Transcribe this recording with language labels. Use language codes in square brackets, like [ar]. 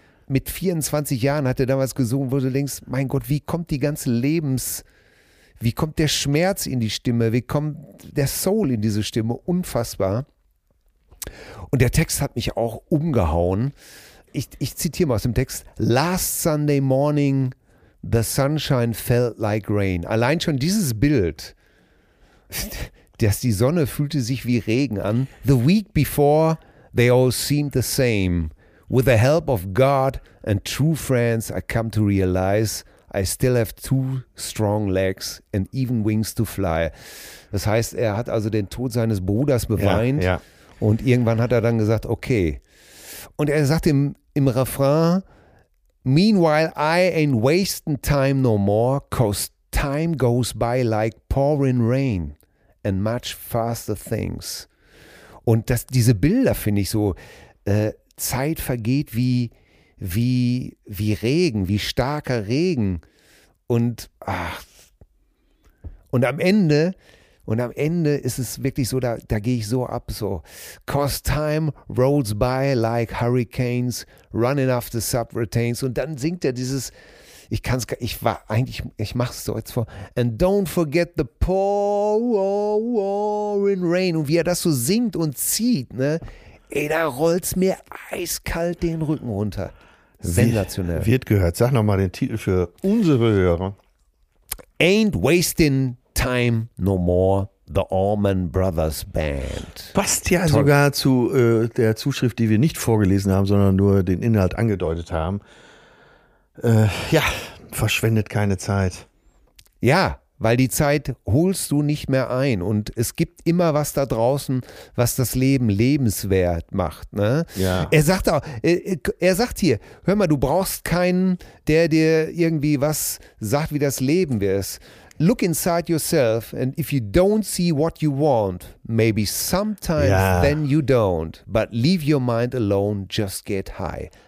[de] Mit 24 Jahren hat er damals gesungen, wo du denkst, mein Gott, wie kommt der Schmerz in die Stimme, wie kommt der Soul in diese Stimme, unfassbar. Und der Text hat mich auch umgehauen. Ich zitiere mal aus dem Text. [en] Last Sunday morning, the sunshine felt like rain. [de] Allein schon dieses Bild, dass die Sonne fühlte sich wie Regen an. [en] The week before, they all seemed the same. With the help of God and true friends, I come to realize I still have two strong legs and even wings to fly. [de] Das heißt, er hat also den Tod seines Bruders beweint. Ja, ja. Und irgendwann hat er dann gesagt, okay. Und er sagt im Refrain, [en] meanwhile I ain't wasting time no more, 'cause time goes by like pouring rain and much faster things. [de] Und das, diese Bilder finde ich so, Zeit vergeht wie Regen, wie starker Regen. Und am Ende ist es wirklich so, da gehe ich so ab, so. [en] 'Cause time rolls by like hurricanes, running after subroutines. [de] Und dann singt er dieses, ich mache es so jetzt vor. [en] And don't forget the pouring rain. [de] Und wie er das so singt und zieht, ne? Ey, da rollt's mir eiskalt den Rücken runter. Sensationell. Wird gehört. Sag nochmal den Titel für unsere Hörer. [en] Ain't Wasting Time No More, The Allman Brothers Band. [de] Passt ja toll. Sogar zu der Zuschrift, die wir nicht vorgelesen haben, sondern nur den Inhalt angedeutet haben. Verschwendet keine Zeit. Ja, weil die Zeit holst du nicht mehr ein und es gibt immer was da draußen, was das Leben lebenswert macht. Ne? Ja. Er sagt auch, er sagt hier, hör mal, du brauchst keinen, der dir irgendwie was sagt, wie das Leben ist. [en] Look inside yourself and if you don't see what you want, maybe sometimes then you don't. But leave your mind alone, just get high.